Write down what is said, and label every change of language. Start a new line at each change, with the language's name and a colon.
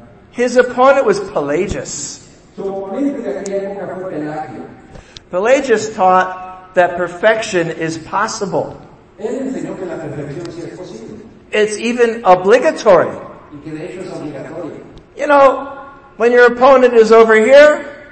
English: His opponent was Pelagius. Pelagius taught that perfection is possible.
Spanish: Él enseñó que la perfección sí es posible.
English: It's even obligatory.
Spanish: Y que de hecho es obligatorio.
English: You know, when your opponent is over here,